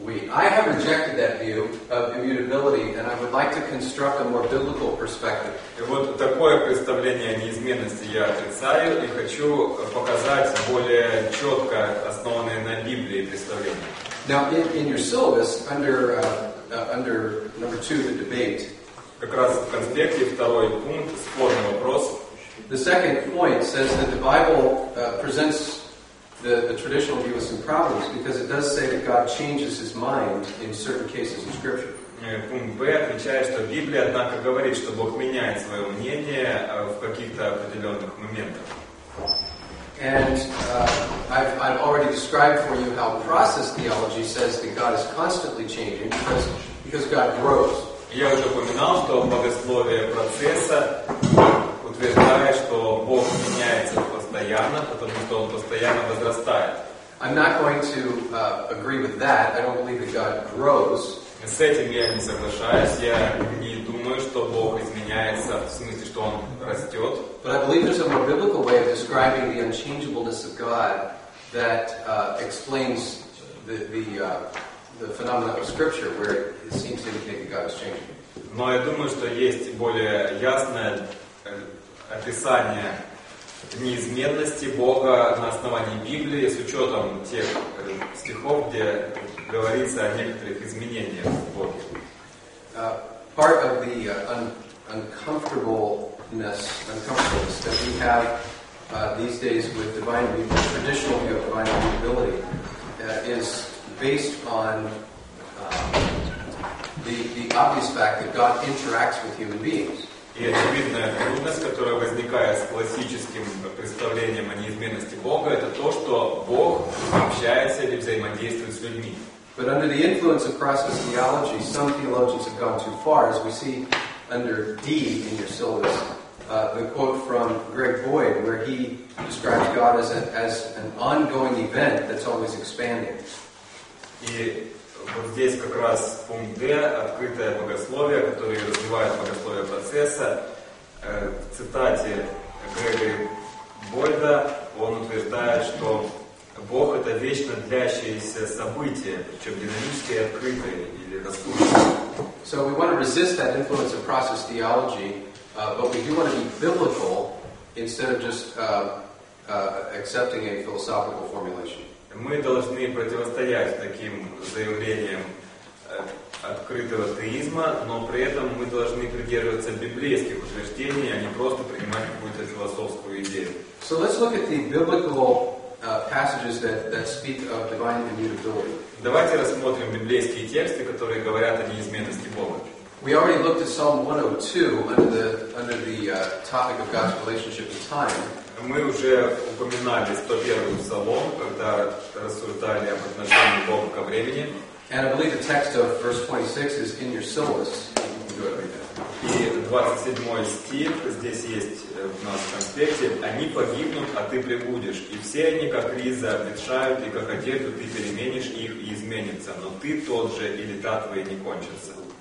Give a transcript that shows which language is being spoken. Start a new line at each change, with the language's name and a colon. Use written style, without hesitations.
English: I have rejected that view of immutability, and I would like to construct a more biblical perspective.
Russian: И вот такое представление о неизменности я отрицаю и хочу показать более четко основанное на Библии представление.
English: Now, in your syllabus, under number two, the debate.
Russian: Как раз в конспекте второй пункт спорный вопрос.
English: The second point says that the Bible presents the traditional view with some problems because it does say that God changes his mind in certain cases in Scripture.
Russian: Пункт Б отмечает, что Библия, однако, говорит, что Бог меняет свое мнение в каких-то определенных моментах.
English: And I've already described for you how process theology says that God is constantly changing because God grows.
Russian: Я уже упоминал, что богословие процесса утверждает, что Бог меняется постоянно, потому что Он постоянно возрастает.
English: I'm not going to agree with that. I don't believe that God grows.
Russian: С этим я не соглашаюсь. Я не думаю, что Бог изменяется, в смысле, что Он растет.
English: But I believe there's a more biblical way of describing the unchangeableness of God that explains the phenomena of Scripture, where it seems to indicate that God is changing.
Russian: Но я думаю, что есть более ясное описание неизменности Бога на основании Библии с учетом тех стихов, где говорится о некоторых изменениях в Боге.
English: Part of the uncomfortableness that we have these days with traditional view of divine immutability is based on the obvious fact that God interacts with human beings.
Russian: И очевидная трудность, которая возникает с классическим представлением о неизменности Бога, это то, что Бог общается или взаимодействует с людьми.
English: But under the influence of process theology, some theologians have gone too far, as we see under D in your syllabus, the quote from Greg Boyd, where he describes God as an ongoing event that's always expanding.
Russian: И вот здесь как раз пункт Д, открытое богословие, которое развивает богословие процесса. В цитате Грегори Бойда он утверждает, что Бог — это вечно длящееся событие, причем динамическое, открытое или растущее.
English: So we want to resist that influence of process theology, but we do want to be biblical instead of just accepting a philosophical formulation.
Russian: Мы должны противостоять таким заявлениям открытого атеизма, но при этом мы должны придерживаться библейских утверждений, а не просто принимать какую-то философскую идею.
English: So let's look at the biblical passages that speak of divine immutability.
Russian: Давайте рассмотрим библейские тексты, которые говорят о неизменности Бога.
English: We already looked at Psalm 102 under the topic of God's relationship with time.
Russian: Мы уже упоминали 101 псалом, когда рассуждали об отношении Бога ко времени.
English: And I believe the text of verse 26 is in your syllabus.
Russian: И 27 стих здесь есть в нашем конспекте. Они погибнут, а ты прибудешь. И все они, как риза, обветшают, и как одежду ты переменишь их и изменится. Но ты тот же, и лета твои не кончатся.